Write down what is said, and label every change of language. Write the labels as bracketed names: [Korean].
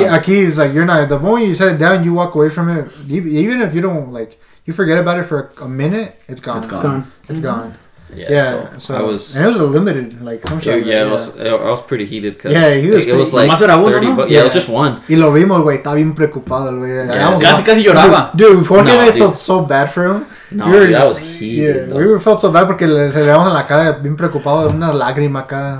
[English] Aki, it's gone. Aki is like, you're not, the moment you set it down, you walk away from it, even if you don't, like, you forget about it for a minute, it's gone. It's gone. Yeah, so I was, and it was a limited, like, I was pretty heated because it was just one. [Spanish] Y lo vimos, güey, está bien preocupado, güey. Casi lloraba. [English] Dude, Jorge and I felt so bad for him. We felt so bad [Spanish] porque se le vamos en la cara bien preocupado, una lágrima acá.